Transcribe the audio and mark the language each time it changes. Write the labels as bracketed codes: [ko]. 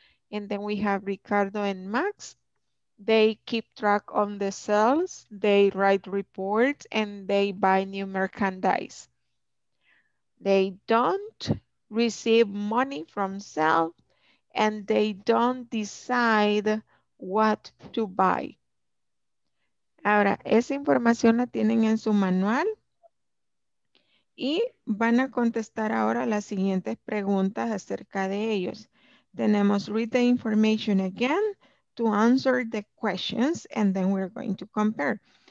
[en] And then we have Ricardo and Max. They keep track on the sales, they write reports, and they buy new merchandise. They don't receive money from sales, and they don't decide what to buy. [es] Ahora, esa información la tienen en su manual y van a contestar ahora las siguientes preguntas acerca de ellos. [en] Tenemos read the information again to answer the questions and then we're going to compare.